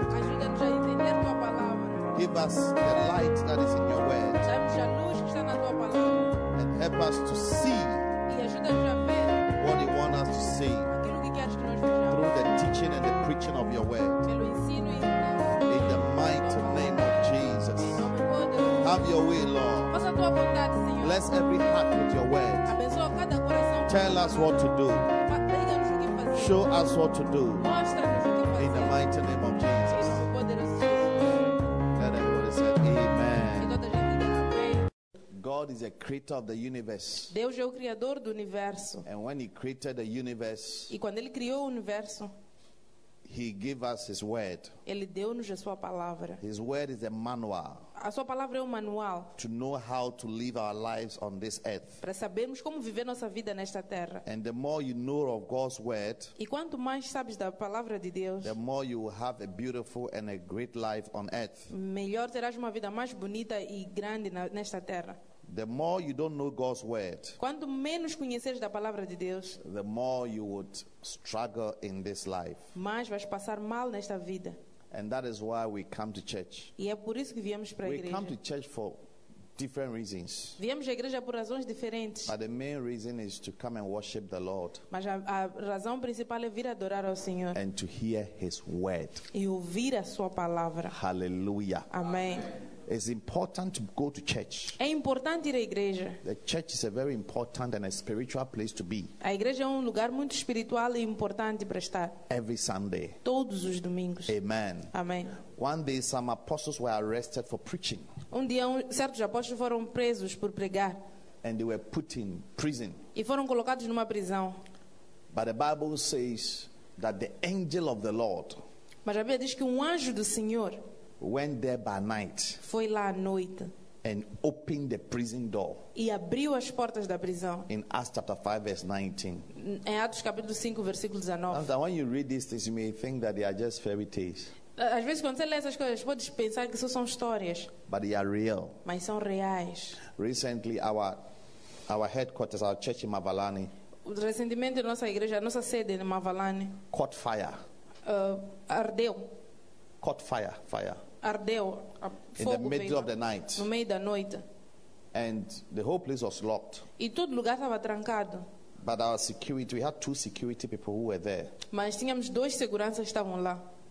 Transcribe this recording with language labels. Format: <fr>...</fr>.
<pt>Ajuda-nos a entender tua palavra.</pt> <en>Give us the light that is in your word.</en> <pt>Dê-nos a luz que está na tua palavra.</pt> <en>And help us to see.</en> <pt>E ajuda-nos a ver.</pt> <en>What you want us to see.</en> <pt>Aquilo que queres que nós vejamos.</pt> <en>Through the teaching and the preaching of your word.</en> <pt>Pelo ensino e</pt> <en>in the mighty name of Jesus. Have your way, Lord.</en> <pt>Faça tua vontade, Senhor.</pt> <en>Bless every heart with your word.</en> <pt>Abençoa cada coração.</pt> <en>Tell us what to do.</en> <pt>Diga-nos o que fazer.</pt> <en>Show us what to do.</en> <pt>Mostra-nos o que fazer.</pt> <en>In the mighty name of Jesus. Let everybody say amen.</en> <pt>Que toda gente diga amém.</pt> <en>God is a creator of the universe.</en> <pt>Deus é o criador do universo.</pt> <en>And when he created the universe.</en> <pt>E quando ele criou o universo.</pt> <en>He gave us his word.</en> <pt>Ele deu-nos a sua palavra.</pt> <en>His word is a manual.</en> <pt>A sua palavra é um manual.</pt> <en>To know how to live our lives on this earth.</en> <pt>Para sabermos como viver nossa vida nesta terra.</pt> <en>And the more you know of God's word.</en> <pt>E quanto mais sabes da palavra de Deus.</pt> <en>The more you will have a beautiful and a great life on earth.</en> <pt>Melhor terás uma vida mais bonita e grande nesta terra.</pt> <en>The more you don't know God's word.</en> <pt>Quanto menos conheceres da palavra de Deus.</pt> <en>The more you would struggle in this life.</en> <pt>Mais vais passar mal nesta vida.</pt> <en>And that is why we come to church.</en> <pt>E é por isso que viemos para a igreja.</pt> <en>We come to church for different reasons.</en> <pt>Viemos à igreja por razões diferentes.</pt> <en>But the main reason is to come and worship the Lord.</en> <pt>Mas a razão principal é vir adorar ao Senhor.</pt> <en>And to hear his word.</en> <pt>E ouvir a sua palavra. Hallelujah. Amém.</pt> <en>It's important to go to church.</en> <pt>É importante ir à igreja.</pt> <en>The church is a very important and a spiritual place to be.</en> <pt>A igreja é um lugar muito espiritual e importante para estar.</pt> <en>Every Sunday.</en> <pt>Todos os domingos. Amen. Amém.</pt> <en>One day some apostles were arrested for preaching.</en> <pt>Um dia, certos apóstolos foram presos por pregar.</pt> <en>And they were put in prison.</en> <pt>E foram colocados numa prisão.</pt> <en>But the Bible says that the angel of the Lord.</en> <pt>Mas a Bíblia diz que um anjo do Senhor</pt> <en>went there by night.</en> <pt>Foi lá à noite.</pt> <en>And opened the prison door.</en> <pt>E abriu as portas da prisão.</pt> <en>In Acts chapter 5 verse 19.</en> <pt>Em Atos capítulo 5 versículo 19.</pt> <en>And when you read these things, you may think that they are just fairy tales.</en> <pt>Às vezes quando você lê essas coisas, pode pensar que isso são histórias.</pt> <en>But they are real.</en> <pt>Mas são reais.</pt> <en>Recently, our headquarters, our church in Mavalani.</en> <pt>Recentemente, nossa igreja, nossa sede em Mavalani.</pt> <en>Caught fire.</en> <pt>Ardeu.</pt> <en>Caught fire. Fire.</en> <pt>Ardeu.</pt> <en>In the middle of the night.</en> <pt>No meio da noite.</pt> <en>And the whole place was locked.</en> <pt>E todo lugar estava trancado.</pt> <en>But our security, we had two security people who were there.</en> <pt>Mas tínhamos dois seguranças que estavam lá.</pt>